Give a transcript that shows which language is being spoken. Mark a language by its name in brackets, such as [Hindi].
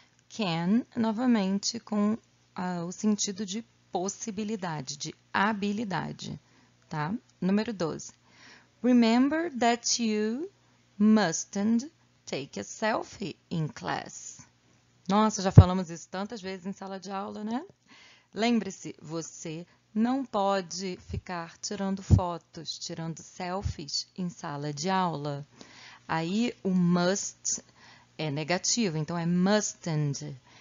[Portuguese] Can, novamente, com o sentido de possibilidade, de habilidade, tá? Número 12. [English] Remember that you mustn't take a selfie in class. [Portuguese] Nossa, já falamos isso tantas vezes em sala de aula, né? Lembre-se, você não pode ficar tirando fotos, tirando selfies em sala de aula. Aí o must é negativo, então é mustn't.